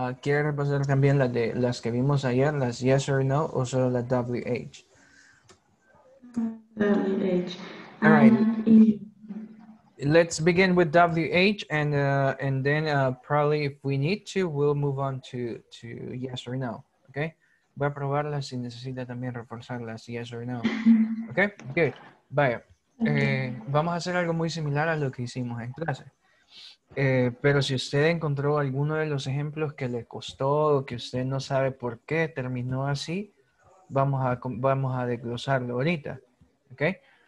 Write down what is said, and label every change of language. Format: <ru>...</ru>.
<es>¿Quiere repasar también las de las que vimos ayer, las</es> <en>yes or no</en> <es>o solo la WH?</es> <en>WH. All right. Let's begin with WH and then probably if we need to, we'll move on to yes or no, okay?</en> <es>Voy a probarla si necesita también reforzarla, si</es> <en>yes or no. Okay, good.</en> <es>Vaya, vamos a hacer algo muy similar a lo que hicimos en clase. Pero si usted encontró alguno de los ejemplos que le costó o que usted no sabe por qué terminó así, vamos a desglosarlo ahorita, okay?</es>